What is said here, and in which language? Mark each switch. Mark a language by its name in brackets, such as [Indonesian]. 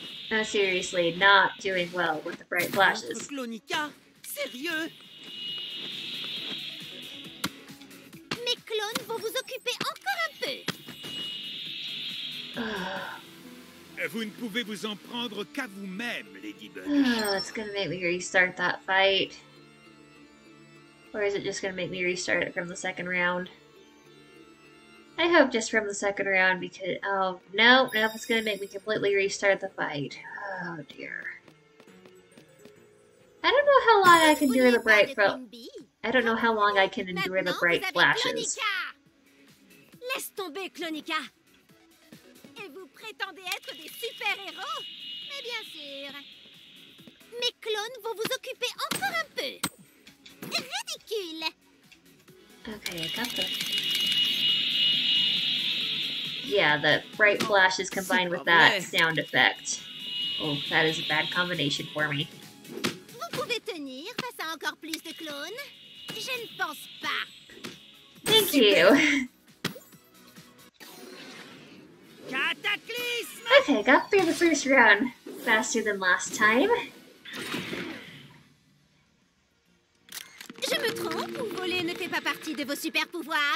[English] No, seriously, not doing well with the bright flashes. [French] Clonika, sérieux? Mes clones vont vous occuper encore un peu. Vous ne pouvez vous en prendre qu'à vous-même, Ladybug. [English] It's gonna make me restart that fight. Or is it just gonna make me restart it from the second round? I hope just from the second round because, oh, no, no, it's going to make me completely restart the fight. Oh, dear. I don't know how long I can endure the bright flashes. [French] Laisse tomber, Clonika. Et vous prétendez être des super-héros? Mais bien sûr. Mes clones vont vous occuper encore un peu. Ridicule. [English] Okay, I got the... Yeah, the bright flashes combined with that sound effect. Oh, that is a bad combination for me. [French] Vous pouvez tenir face à encore plus de clones? Je ne pense pas. [English] Thank you. [French] Cataclysme! [English] Okay, got through the first round faster than last time. [French] Je me trompe ou voler ne fait pas partie de vos super pouvoirs?